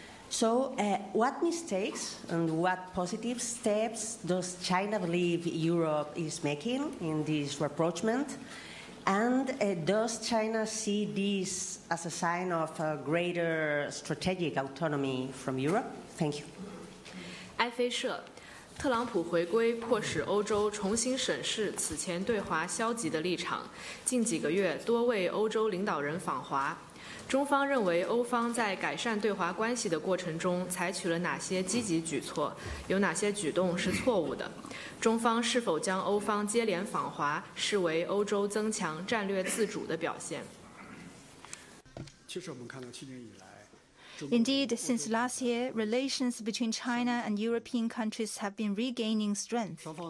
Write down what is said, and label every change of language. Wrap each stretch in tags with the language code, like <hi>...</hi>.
<en>So what mistakes and what positive steps does China believe Europe is making in this rapprochement? And does China see this as a sign of a greater strategic autonomy from Europe? Thank you.</en> <zh>埃菲社，特朗普回归迫使欧洲重新审视此前对华消极的立场。近几个月，多位欧洲领导人访华。中方认为欧方在改善对华关系的过程中采取了哪些积极举措，有哪些举动是错误的？中方是否将欧方接连访华视为欧洲增强战略自主的表现？其实我们看到去年以来</zh> <en>Indeed, since last year, relations between China and European countries have been regaining strength.</en>